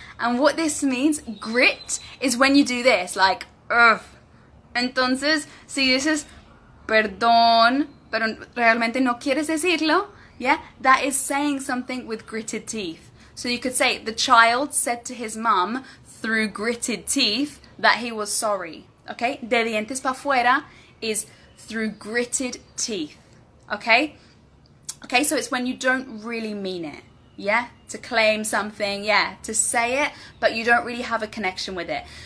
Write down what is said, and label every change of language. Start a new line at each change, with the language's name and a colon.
English: And what this means, grit, is when you do this, like, ugh.
Spanish: Entonces, si dices, perdón, pero realmente no quieres decirlo, yeah?
English: That is saying something with gritted teeth. So you could say, the child said to his mom through gritted teeth that he was sorry, okay?
Spanish: De dientes para afuera
English: is through gritted teeth, okay? Okay, so it's when you don't really mean it, yeah? To claim something, yeah, to say it, but you don't really have a connection with it.